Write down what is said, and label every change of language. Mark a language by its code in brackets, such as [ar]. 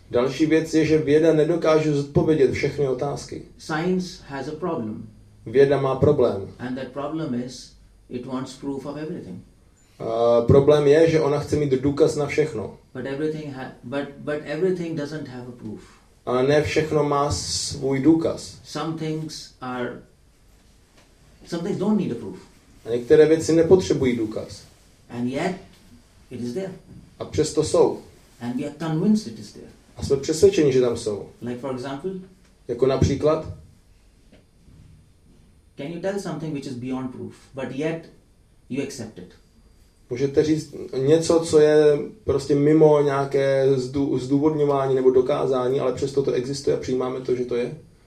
[cs] Další věc je, že věda nedokáže zodpovědět všechny otázky. [en] Science has a problem. [cs] Věda má problém. [en] And that problem is it wants proof of everything. [cs] Problém je, že ona chce mít důkaz na všechno. [en] But everything doesn't have a proof. [cs] Ale ne všechno má svůj důkaz. [en] Some things don't need a proof. [cs] A některé věci nepotřebují důkaz. [en] And yet it is there. [cs] A přesto jsou. [en] And we are convinced it is there. [cs] A jsme přesvědčeni, že tam jsou. [en] Like for example? [cs] Jako například? [en] Can you tell something which is beyond proof, but yet you accept it? [cs] Můžete říct něco, co je prostě mimo nějaké zdůvodňování nebo dokázání, ale přesto to existuje a přijímáme to, že to je?